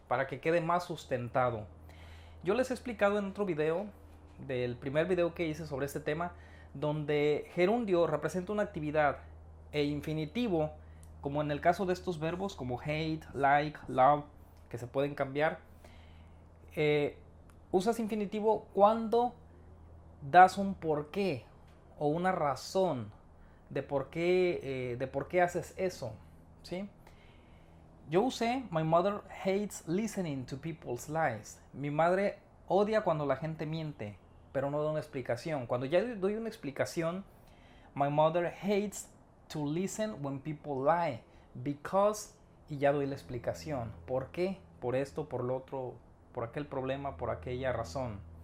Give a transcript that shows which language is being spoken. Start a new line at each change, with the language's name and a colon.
Spanish: Para que quede más sustentado. Yo les he explicado en otro video, del primer video que hice sobre este tema, donde gerundio representa una actividad e infinitivo, como en el caso de estos verbos, como hate, like, love, que se pueden cambiar, usas infinitivo cuando das un porqué o una razón de por qué haces eso, ¿sí? Yo usé,
English: my mother hates listening to people's lies.
Spanish: Mi madre odia cuando la gente miente, pero no da una explicación. Cuando ya doy una explicación,
English: my mother hates to listen when people lie, because,
Spanish: y ya doy la explicación. ¿Por qué? Por esto, por lo otro, por aquel problema, por aquella razón.